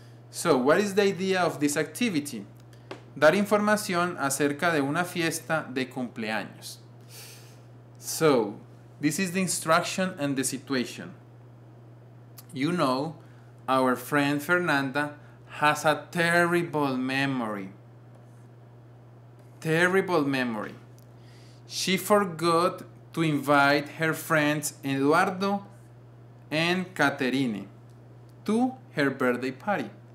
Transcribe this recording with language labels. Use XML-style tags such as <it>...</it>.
<en>So what is the idea of this activity?</en> <es>Dar información acerca de una fiesta de cumpleaños.</es> <en>So this is the instruction and the situation. You know, our friend Fernanda has a terrible memory. Terrible memory. She forgot to invite her friends Eduardo and Caterine to her birthday party.</en>